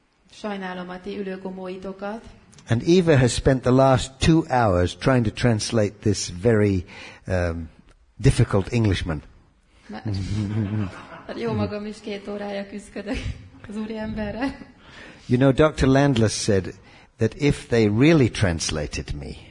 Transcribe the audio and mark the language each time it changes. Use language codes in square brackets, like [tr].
[hu] Sajnálom a ti ülőgomóitokat. [en] And Eva has spent the last 2 hours trying to translate this very difficult Englishman. [hu] Jó magam is két órája küzdök az úriemberre. [en] You know, Dr. Landless said that if they really translated me,